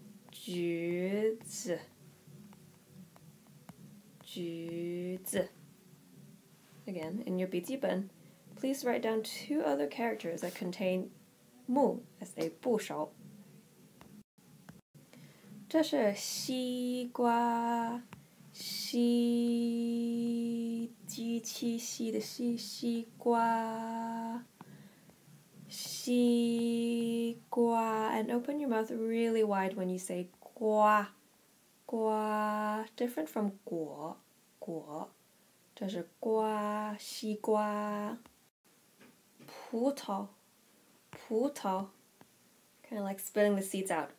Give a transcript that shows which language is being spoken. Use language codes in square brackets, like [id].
[zh] 橘子. 橘子. [en] Again, in your [zh] 笔记本, [en] please write down two other characters that contain 木 as a 不熟. [zh] 这是西瓜, 西, 机器西的西, 西瓜, 西瓜. [en] And open your mouth really wide when you say [zh] 瓜, 瓜, [en] different from 果. [zh] 果, 这是瓜, 西瓜. 葡萄, 葡萄, [en] kind of like spilling the seeds out.